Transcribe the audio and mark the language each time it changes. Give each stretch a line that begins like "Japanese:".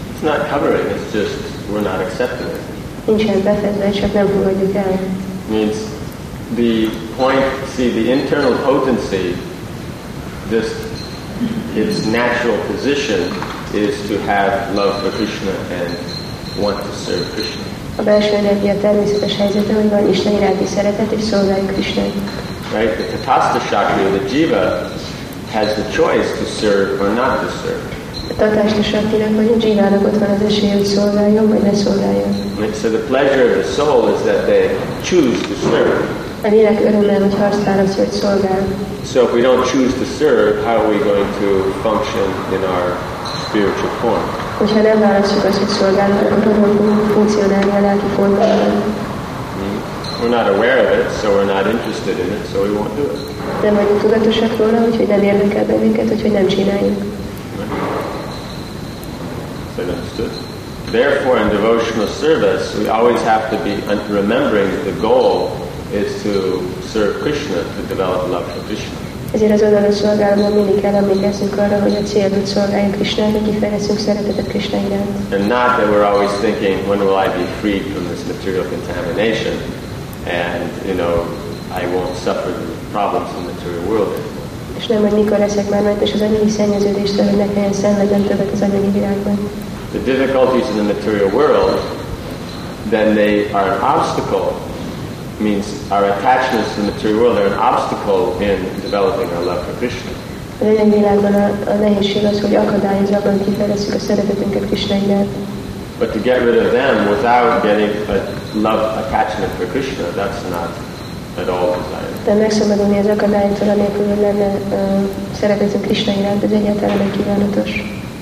English: It's not covering, it's just we're not accepting it. Means the point, see, the internal potency, just its natural position, is to have love for Krishna and want to serve Krishna.
Hungarian: A belső energia természetes helyzete, hogy van Isten iránti szeretet és szolgálja Krisztust.
English: Right, the tatastha chakra, the jiva, has the choice to serve or not to serve.
Hungarian: A tatastha chakra, vagy a jivának ott van az esélye, hogy szolgáljon vagy ne szolgáljon.
English: So the pleasure of the soul is that they choose to serve.
Hungarian: A lélek öröme, hogy azt választja, hogy szolgál.
English: So if we don't choose to serve, how are we going to function in our spiritual form?
Hungarian: Hogyha nem választjuk azt, hogy szolgálunk, akkor hogy fogunk funkcionálni a lelki formában?
English: We're not aware of it, so we're not interested in it, so we won't do it.
Hungarian: Nem vagyunk tudatosak róla, úgyhogy nem érdekel bennünket, úgyhogy nem csináljuk.
English: So that's good. Therefore, in devotional service, we always have to be remembering that the goal is to serve Krishna, to develop love for Krishna.
Hungarian: Ezért az oldalon szolgálatban mindig kell emlékezzünk arra, hogy a célod szolgálni Krishna, hogy kifejezzünk szeretetet Krishna iránt.
English: And not that we're always thinking, when will I be freed from this material contamination, and, you know, I won't suffer the problems in the material world anymore.
Hungarian: És nem, hogy mikor leszek már mentes az anyagi szennyeződéstől, hogy ne kelljen szenvedjen többet az anyagi világban.
English: The difficulties in the material world, then they are an obstacle. Means our attachments to the material world are an obstacle in developing our love for Krishna.
Hungarian: A lényegi világban a nehézség az, hogy akadályozza abban, hogy kifejezzük a szeretetünket Krishna iránt.
English: But to get rid of them without getting a love attachment for Krishna, that's not at all desired.
Hungarian: De megszabadulni az akadálytól, anélkül, hogy lenne szeretetünk Krishna iránt, ez egyáltalán nem kívánatos.